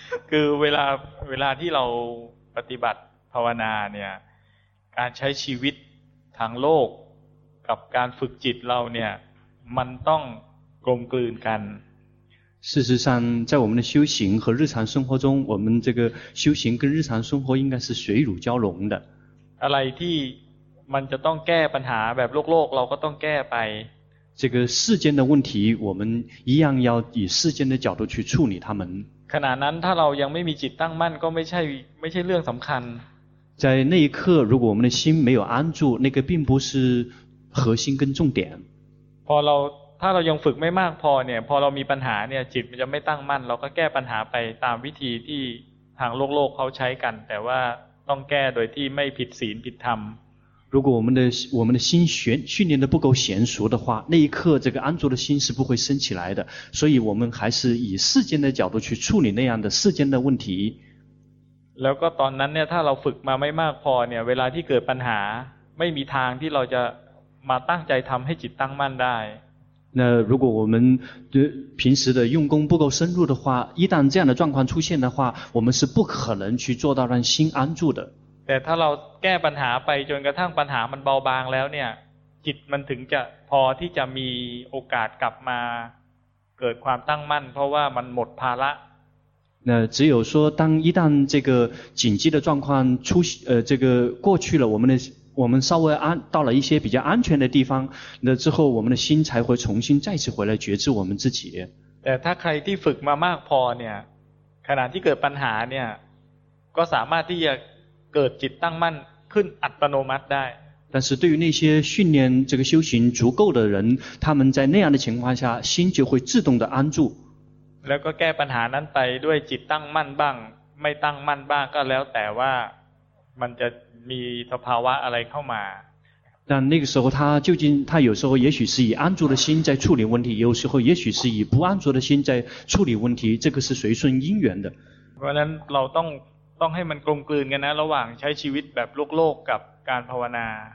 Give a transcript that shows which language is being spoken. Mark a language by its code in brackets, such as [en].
[th] คือเวลาที่เราปฏิบัติภาวนาเนี่ยการใช้ชีวิตทางโลกกับการฝึกจิตเราเนี่ยมันต้องกลมกลืนกัน [zh] 事实上在我们的修行和日常生活中我们这个修行跟日常生活应该是水乳交融的 [th] อะไรที่มันจะต้องแก้ปัญหาแบบโลกเราก็ต้องแก้ไป [zh] 这个世间的问题我们一样要以世间的角度去处理它们 [th] ขณะนั้นถ้าเรายังไม่มีจิตตั้งมั่นก็ไม่ใช่เรื่องสำคัญ [zh] 在那一刻如果我们的心没有安住那个并不是核心跟重点 [th] พอเราถ้าเรายังฝึกไม่มากพอเนี่ยพอเรามีปัญหาเนี่ยจิตมันจะไม่ตั้งมั่นเราก็แก้ปัญหาไปตามวิธีที่ทางโลกเขาใช้กันแต่ว่าต้องแก้โดยที่ไม่ผิดศีลผิดธรรม [zh] 如果我们的心训练的不够娴熟的话，那一刻这个安住的心是不会升起来的。所以我们还是以世间的角度去处理那样的世间的问题。 [th] แล้วก็ตอนนั้นเนี่ยถ้าเราฝึกมาไม่มากพอเนี่ยเวลาที่เกิดปัญหาไม่มีทางที่เราจะมาตั้งใจทำให้จิตตั้งมั่นได้ [zh] 那如果我们平时的用功不够深入的话，一旦这样的状况出现的话，我们是不可能去做到让心安住的。 [th] แต่ถ้าเราแก้ปัญหาไปจนกระทั่งปัญหามันเบาบางแล้วเนี่ยจิตมันถึงจะพอที่จะมีโอกาสกลับมาเกิดความตั้งมั่นเพราะว่ามันหมดภาระ [zh] 那只有说当一旦这个紧急的状况出这个过去了我们稍微安到了一些比较安全的地方那之后我们的心才会重新再次回来觉知我们自己 [th] แต่ถ้าใครที่ฝึกมามากพอเนี่ยขณะที่เกิดปัญหาเนี่ยก็สามารถที่จะเกิดจิตตั้งมั่นขึ้นอัตโนมัติได้ [zh] 但是对于那些训练这个修行足够的人他们在那样的情况下心就会自动的安住 [th] แล้วก็แก้ปัญหานั้นไปด้วยจิตตั้งมั่นบ้างไม่ตั้งมั่นบ้างก็แล้วแต่ว่ามันจะมีสภาวะอะไรเข้ามา [zh] 但那个时候他有时候也许是以安住的心在处理问题有时候也许是以不安住的心在处理问题这个是随顺因缘的 [th] เพราะนั้นเราต้องให้มันกลมกลืนกันนะระหว่างใช้ชีวิตแบบโลกกับการภาวนา